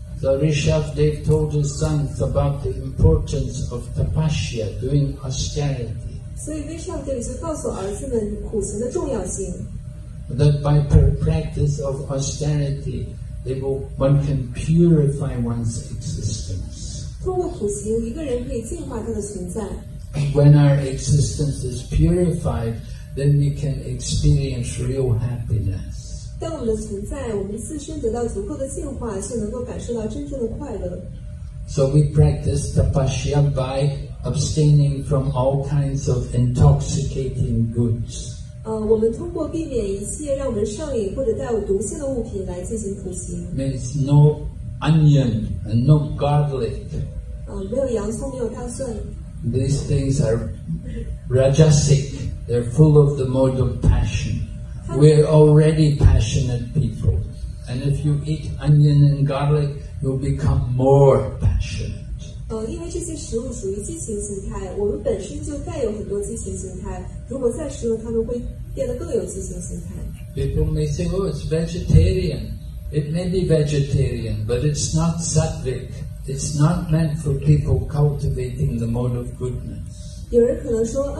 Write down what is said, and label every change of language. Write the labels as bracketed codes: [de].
[en] So Rishabhdev told his sons about the importance of tapasya, doing austerity. So [zh] Rishabhdev告诉儿子们苦行的重要性. [en] That by practice of austerity, one can purify one's existence. [zh] 通过苦行，一个人可以净化他的存在. [en] When our existence is purified, then we can experience real happiness. So we practice tapasya by abstaining from all kinds of intoxicating goods. [zh] 我们通过避免一切让我们上瘾或者带有毒性的物品来进行苦行. [en] Means no onion and no garlic. [zh] 没有洋葱，没有大蒜. [en] These things are rajasic. They're full of the mode of passion. We're already passionate people. And if you eat onion and garlic, you'll become more passionate. [zh] 因为这些食物属于激情心态，我们本身就带有很多激情心态，如果再食用，它们会变得更有激情心态。 [en] People may say, oh, it's vegetarian. It may be vegetarian, but it's not sattvic. It's not meant for people cultivating the mode of goodness.